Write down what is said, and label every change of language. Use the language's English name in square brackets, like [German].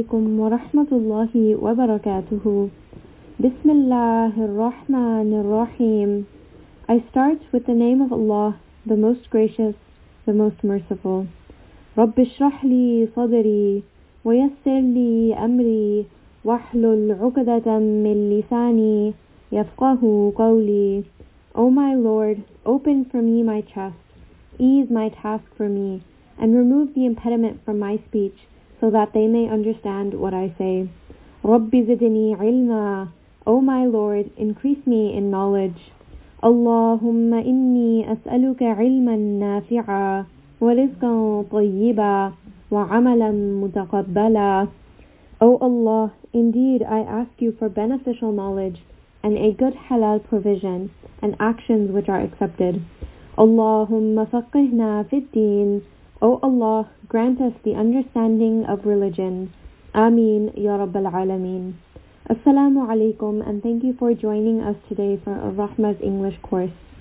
[Arabic] عليكم ورحمة الله وبركاته. بسم الله الرحمن الرحيم. [English] I start with the name of Allah, the most gracious, the most merciful. [Arabic] رب اشرح لي صدري ويسر لي أمري واحلل عقدة من لساني يفقه قولي. [English] O my Lord, open for me my chest, ease my task for me, and remove the impediment from my speech, so that they may understand what I say. [Arabic] رب زدني علما. [English] O my Lord, increase me in knowledge. [Arabic] اللهم إني أسألك علما نافعا ورزقا طيبا وعملا متقبلا. [English] O Allah, indeed I ask you for beneficial knowledge and a good halal provision and actions which are accepted. [Arabic] اللهم فقهنا في الدين. [English] O Allah, grant us the understanding of religion. Ameen Ya Rabb Al-Alameen. Assalamu alaikum, and thank you for joining us today for a Rahma's English course.